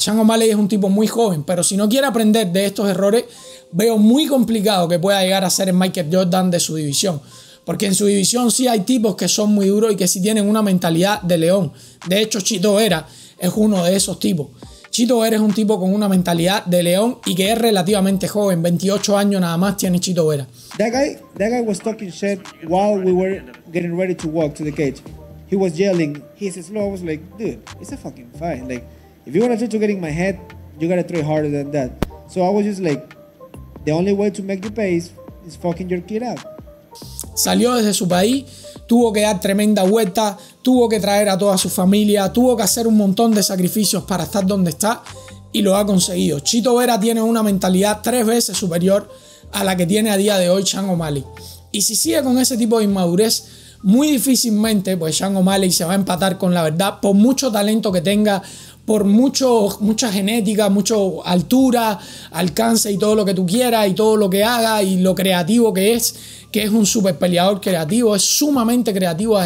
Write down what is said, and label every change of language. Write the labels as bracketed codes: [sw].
[es] Sean O'Malley es un tipo muy joven, pero si no quiere aprender de estos errores, veo muy complicado que pueda llegar a ser el Michael Jordan de su división. Porque en su división sí hay tipos que son muy duros y que sí tienen una mentalidad de león. De hecho, Chito Vera es uno de esos tipos. Chito Vera es un tipo con una mentalidad de león y que es relativamente joven. 28 años nada más tiene Chito Vera. [en] That guy was talking shit while we were getting ready to walk to the cage. He was yelling, he's slow. I was like, dude, it's a fucking fight. Like, if you want to try to get in my head, you got to try harder than that. So I was just like, the only way to make you pay is fucking your kid out. [es] Salió desde su país, tuvo que dar tremenda vuelta, tuvo que traer a toda su familia, tuvo que hacer un montón de sacrificios para estar donde está y lo ha conseguido. Chito Vera tiene una mentalidad tres veces superior a la que tiene a día de hoy Sean O'Malley. Y si sigue con ese tipo de inmadurez, muy difícilmente, pues Sean O'Malley se va a empatar con la verdad, por mucho talento que tenga, por mucha genética, mucha altura, alcance y todo lo que tú quieras y todo lo que haga y lo creativo que es un super peleador creativo, es sumamente creativo.